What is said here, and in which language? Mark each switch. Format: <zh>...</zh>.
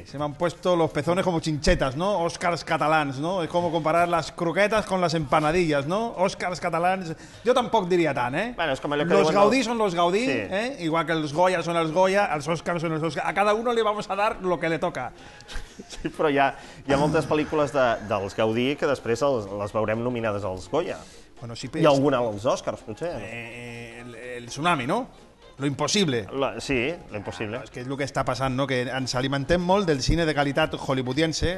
<es>Se m'han puesto los pezones como chinchetas, no? Òscars catalans, no? Es como comparar las croquetas con las empanadillas, no?</es> <ca>Òscars catalans, jo tampoc diria tant, eh? Bueno, és com allò que diuen...</ca> <es>Los Gaudí són los Gaudí,</es> <ca>sí. eh? Igual que els Goya són els Goya, els Òscars són els Òscars.</ca> <es>A cada uno le vamos a dar lo que le toca.</es> <ca>Sí, però hi ha moltes pel·lícules dels Gaudí que després les veurem nominades als Goya.</ca> <es>Bueno, sí,</es> <ca>hi ha algun als Oscars, potser?</ca> <es>El tsunami, no? Lo imposible. Sí, lo imposible.</es> <ca>És que és el que està passant, no? Que ens alimentem molt del cine de qualitat hollywoodiense.</ca>